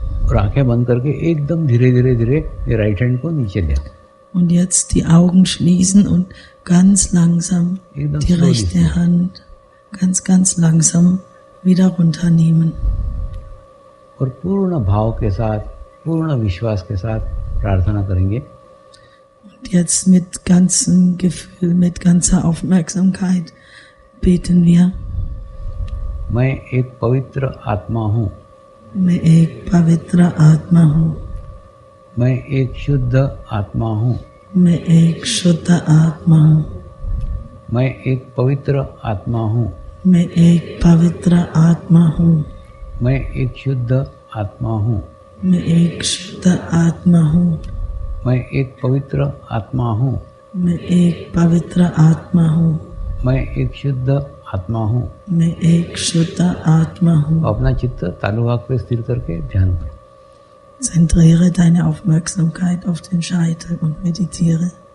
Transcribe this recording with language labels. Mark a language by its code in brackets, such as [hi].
[hi] और आंखें बंद करके एकदम धीरे धीरे धीरे ये राइट हैंड को नीचे ले आओ। [de] Und jetzt die Augen schließen und ganz langsam die rechte Hand ganz ganz langsam wieder runternehmen. [hi] और पूर्ण भाव के साथ, पूर्ण विश्वास के साथ प्रार्थना करेंगे। [de] Und jetzt mit ganzem Gefühl, mit ganzer Aufmerksamkeit beten wir. [hi] मैं एक पवित्र आत्मा हूँ। मैं एक पवित्र आत्मा हूँ। मैं एक शुद्ध आत्मा हूँ। मैं एक शुद्ध आत्मा हूँ। मैं एक पवित्र आत्मा हूँ। मैं एक पवित्र आत्मा हूँ। मैं एक शुद्ध आत्मा हूँ। मैं एक शुद्ध आत्मा हूँ। मैं एक पवित्र आत्मा हूँ। मैं एक पवित्र आत्मा हूँ। मैं एक शुद्ध आत्मा हूँ। मैं एक शुद्ध आत्मा हूँ। अपना चित्त तालु भाग पे स्थिर करके ध्यान करो। [de] Zentriere deine Aufmerksamkeit auf den Scheitel und meditiere.